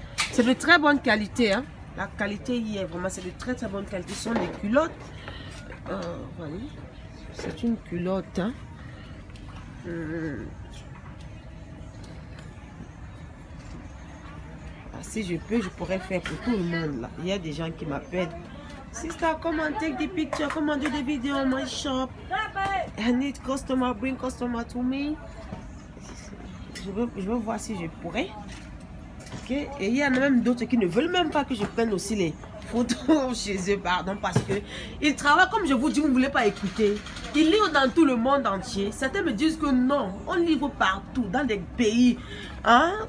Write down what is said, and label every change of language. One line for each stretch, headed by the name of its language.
French: C'est de très bonne qualité, hein? La qualité y est vraiment. C'est de très, très bonne qualité. Ce sont les culottes. Voilà. C'est une culotte. Hein? Mmh. Si je peux, je pourrais faire pour tout le monde là. Il y a des gens qui m'appellent.
English: Sister, come and take the picture. Come and do the video on my shop. I need customer, bring customer to me.
French: Je veux voir si je pourrais. Ok. Et il y en a même d'autres qui ne veulent même pas que je prenne aussi les photos chez eux, pardon, parce que ils travaillent, comme je vous dis, vous ne voulez pas écouter. Ils livrent dans tout le monde entier. Certains me disent que non, on livre partout, dans des pays. Hein?